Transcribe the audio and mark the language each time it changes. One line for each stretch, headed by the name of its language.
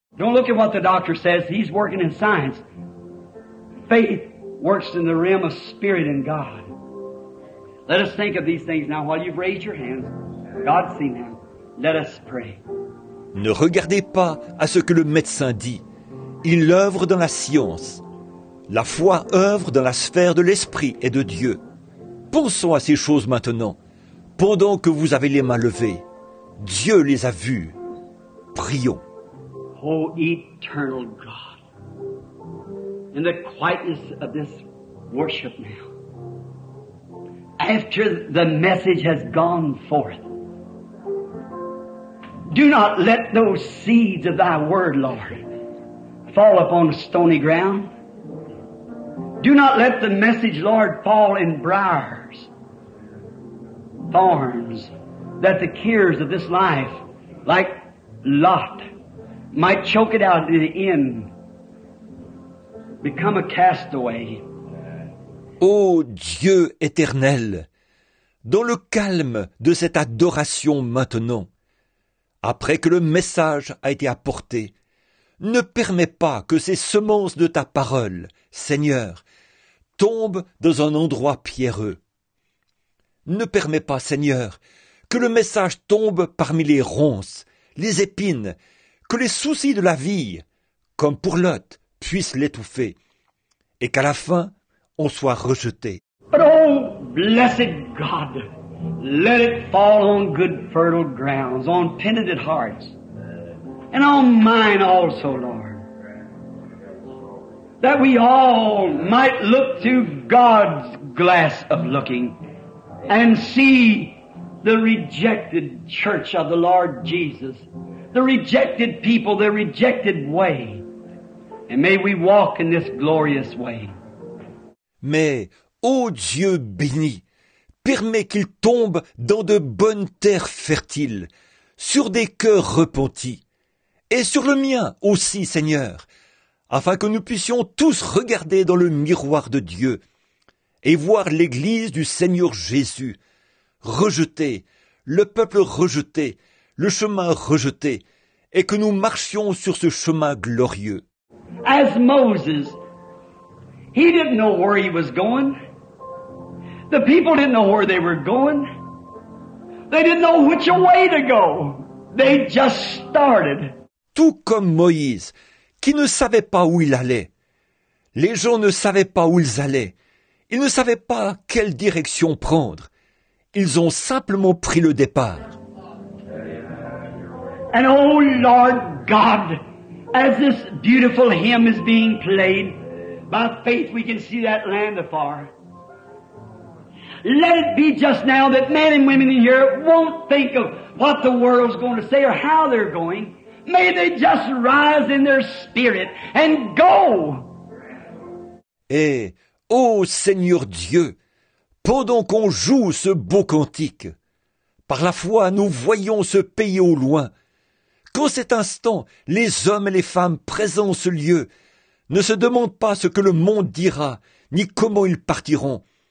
English: Don't look at what the doctor says. He's working in science. Faith works in the realm of spirit and God. Let us think of these things now while you've raised your hands. God see now. Let us pray.
French: Ne regardez pas à ce que le médecin dit. Il œuvre dans la science. La foi œuvre dans la sphère de l'esprit et de Dieu. Pensons à ces choses maintenant. Pendant que vous avez les mains levées, Dieu les a vues. Prions.
English: Oh, eternal God, in the quietness of this worship now, after the message has gone forth, do not let those seeds of Thy Word, Lord, fall upon stony ground. Do not let the message, Lord, fall in briars, thorns, that the cares of this life, like Lot, might choke it out in the end, become a castaway.
French: Ô Dieu éternel, dans le calme de cette adoration maintenant, après que le message a été apporté, ne permets pas que ces semences de ta parole, Seigneur, tombent dans un endroit pierreux. Ne permets pas, Seigneur, que le message tombe parmi les ronces, les épines, que les soucis de la vie, comme pour Lot, puissent l'étouffer, et qu'à la fin, on soit rejeté.
English: But oh, blessed God, let it fall on good fertile grounds, on penitent hearts, and on mine also, Lord, that we all might look through God's glass of looking and see the rejected church of the Lord Jesus, the rejected people, the rejected way, and may we walk in this glorious way.
French: Mais, ô Dieu béni, permets qu'il tombe dans de bonnes terres fertiles, sur des cœurs repentis, et sur le mien aussi, Seigneur, afin que nous puissions tous regarder dans le miroir de Dieu et voir l'Église du Seigneur Jésus, rejetée, le peuple rejeté, le chemin rejeté, et que nous marchions sur ce chemin glorieux.
English: As Moses, he didn't know where he was going. The people didn't know where they were going. They didn't know which way to go. They just started.
French: Tout comme Moïse, qui ne savait pas où il allait. Les gens ne savaient pas où ils allaient. Ils ne savaient pas quelle direction prendre. Ils ont simplement pris le départ.
English: And oh Lord God, as this beautiful hymn is being played, by faith we can see that land afar. Let it be just now that men and women in here won't think of what the world's going to say or how they're going. May they just rise in their spirit and go.
French: Et, ô Seigneur Dieu, pendant qu'on joue ce beau cantique, par la foi nous voyons ce pays au loin. Qu'en cet instant, les hommes et les femmes présents en ce lieu ne se demandent pas ce que le monde dira, ni comment ils partiront.